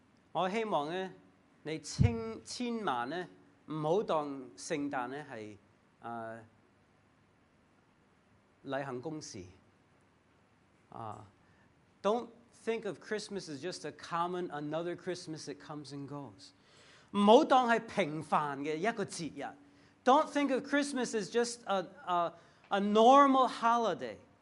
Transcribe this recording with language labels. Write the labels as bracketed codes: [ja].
[yue] 我希望呢，你千萬呢，唔好當聖誕呢係例行公事。 [en] Don't think of Christmas as just a common another Christmas that comes and goes. [yue] 唔好当系平凡嘅一个节日。 [en] Don't think of Christmas as just a normal holiday.